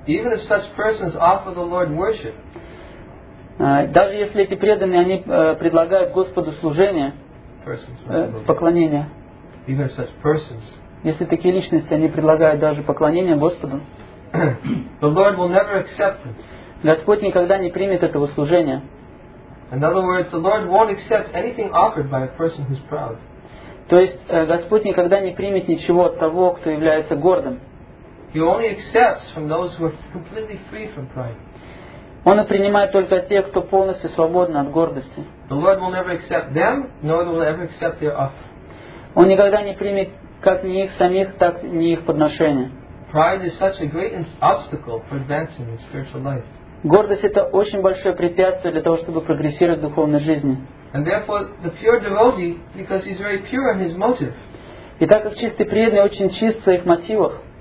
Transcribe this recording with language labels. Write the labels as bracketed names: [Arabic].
[English] Even if such persons offer the Lord worship, [Russian] даже если эти преданные они предлагают Господу служение, поклонение. [English] Even if such persons, [Russian] если такие личности они предлагают даже поклонение Господу, [English] the Lord will never accept it. [Russian] Господь никогда не примет этого служения. [English] In other words, the Lord won't accept anything offered by a person who's proud. [Russian] То есть Господь никогда не примет ничего от того, кто является гордым. [English] He only accepts from those who are completely free from pride. [Russian] Он принимает только тех, кто полностью свободен от гордости. [English] The Lord will never accept them, nor will ever accept their offer. [Russian] Он никогда не примет как ни их самих, так ни их подношения. [English] Pride is such a great obstacle for advancing in spiritual life. [Russian] Гордость — это очень большое препятствие для того, чтобы прогрессировать в духовной жизни. [English] And therefore, the pure devotee, because he's very pure in his motive. [Russian] И так как чистый преданный очень чист в своих мотивах.